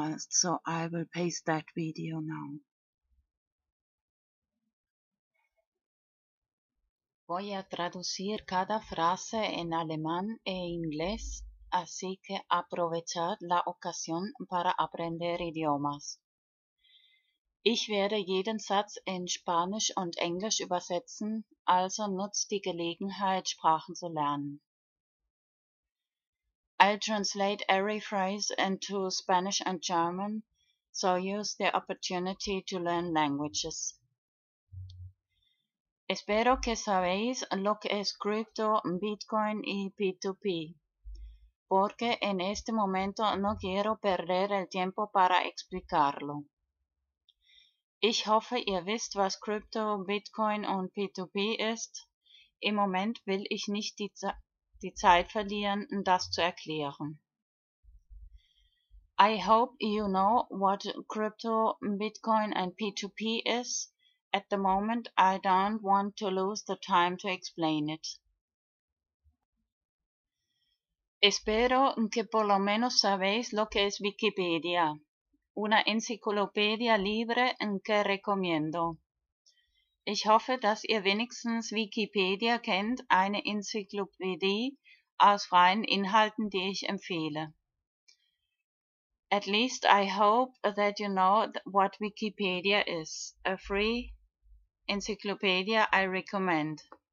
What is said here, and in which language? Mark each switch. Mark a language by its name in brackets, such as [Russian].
[English] So I will paste that video now. [Spanish] Voy a traducir cada frase en alemán e inglés, así que aprovechad la ocasión para aprender idiomas. [German] Ich werde jeden Satz in Spanisch und Englisch übersetzen, also nutzt die Gelegenheit, Sprachen zu lernen. [English] I'll translate every phrase into Spanish and German, so use the opportunity to learn languages. [Spanish] Espero que sabéis lo que es cripto, Bitcoin y P2P, porque en este momento no quiero perder el tiempo para explicarlo. [German] Ich hoffe, ihr wisst, was Krypto, Bitcoin und P2P ist. Im Moment will ich nicht die Zeit verlieren, das zu erklären. [English] I hope you know what Krypto, Bitcoin and P2P is. At the moment, I don't want to lose the time to explain it. [Spanish] Espero que por lo menos sabéis lo que es Wikipedia, una enciclopedia libre en que recomiendo. [German] Ich hoffe, dass ihr wenigstens Wikipedia kennt, eine Enzyklopädie aus freien Inhalten, die ich empfehle. [English] At least I hope that you know what Wikipedia is, a free encyclopedia I recommend.